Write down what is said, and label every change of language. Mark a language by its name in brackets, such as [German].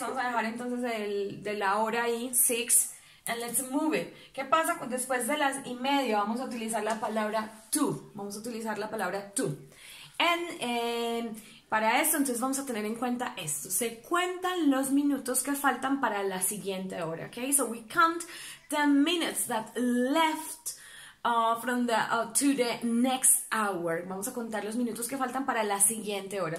[Spanish] Vamos a dejar entonces de la hora ahí, 6. [English] And let's move it. [Spanish] ¿Qué pasa después de las y media? Vamos a utilizar la palabra 2. Vamos a utilizar la palabra 2. And para esto, entonces vamos a tener en cuenta esto. Se cuentan los minutos que faltan para la siguiente hora, okay? [English] So we count the minutes that left from the to the next hour. [Spanish] Vamos a contar los minutos que faltan para la siguiente hora.